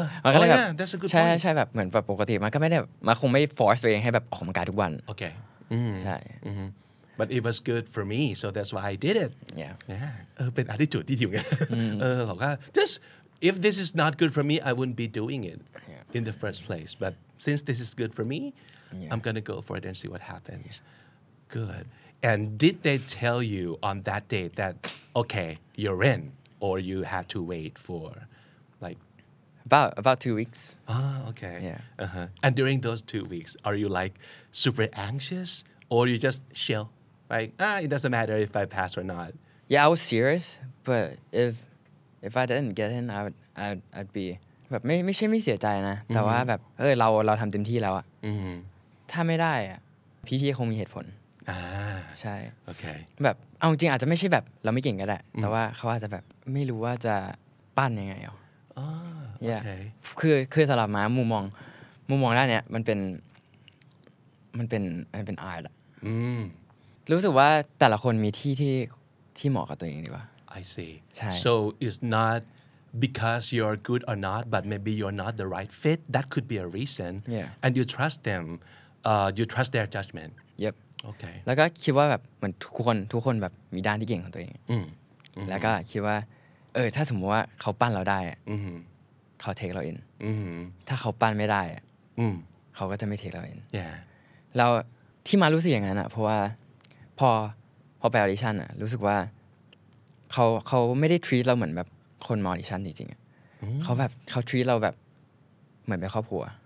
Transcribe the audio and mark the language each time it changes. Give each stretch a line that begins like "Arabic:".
Thai: มันก็เลยแบบ
English: that's a good point.
Thai: ใช่ๆแบบเหมือนแบบปกติมันก็ไม่ได้มันคงไม่ force ตัวเองให้แบบออกกำลังกายทุกวัน
English: Okay.
Thai: ใช่
English: But it was good for me, so that's why I did it. Yeah.
Thai: เป็น attitude ที่ดีอยู่ไงเออบอกว่า
English: justIf this is not good for me, I wouldn't be doing it yeah. in the first place. But since this is good for me, yeah. I'm going to go for it and see what happens. Yeah. Good. And did they tell you on that day that, okay, you're in, or you had to wait for, like... About 2 weeks. Ah, okay. Yeah. And during those 2 weeks, are you, like, super anxious? Or you just chill? Like, it doesn't matter if I pass or not. Yeah, I was serious, but if I didn't get in I'd be
Thai: แบบไม่ใช่ไม่เสียใจนะแต่ว่าแบบเอ้ยเราทำเต็มที่แล้วอ่ะถ้าไม่ได้อ่ะพี่ๆคงมีเหตุผลใช่โอเ คแบบเอาจริงอาจจะไม่ใช่แบบเราไม่เก่งก็ได้แต่ว่าเขาอาจจะแบบไม่รู้ว่าจะปั้นยังไงอ่ะคือสำหรับมามุมมองด้านเนี้ยมันเป็นอาร์ตอ่ะรู้สึกว่าแต่ละคนมีที่เหมาะกับตัวเองดีกว่า
English: I see. So it's not because you're good or not, but maybe you're not the right fit. That could be a reason. Yeah. And you trust them. You trust their judgment. Yep. Okay.
Thai: แล้วก็คิดว่าแบบเหมือนทุกคนแบบมีด้านที่เก่งของตัวเองแล้วก็คิดว่าเออถ้าสมมติว่าเขาปั้นเราได้ เขา take เรา in ถ้าเขาปั้นไม่ได้เขาก็จะไม่ take เรา in
English: Yeah.
Thai: เราที่มารู้สึกอย่างนั้นอ่ะเพราะว่าพอไป audition อ่ะรู้สึกว่าเขาไม่ได้ treat เราเหมือนแบบคนมอดิชันจริงๆอ่ะเขา treat เราแบบเหมือนเป็นครอบครัว